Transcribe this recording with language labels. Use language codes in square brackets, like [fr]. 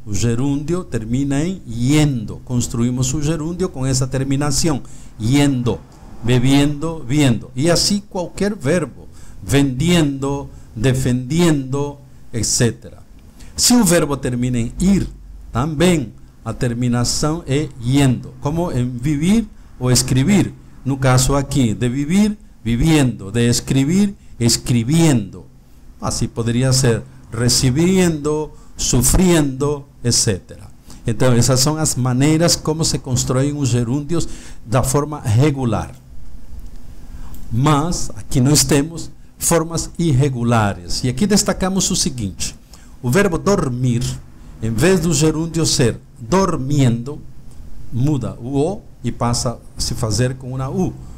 [pt] O gerúndio termina em yendo. Construímos o gerúndio com essa terminação, yendo, bebiendo, viendo. E assim qualquer verbo, vendiendo, defendiendo, etc. Se o verbo termina em ir, também a terminação é yendo, como em vivir ou escribir. No caso aqui, de vivir, viviendo, de escribir, escribiendo. [es] Así podría ser recibiendo, sufriendo, etc. [pt] Então, essas são as maneiras como se construem os gerúndios da forma regular. Mas, aqui nós temos formas irregulares. E aqui destacamos o seguinte. O verbo dormir, em vez do gerúndio ser dormiendo, muda o O e passa a se fazer com uma U.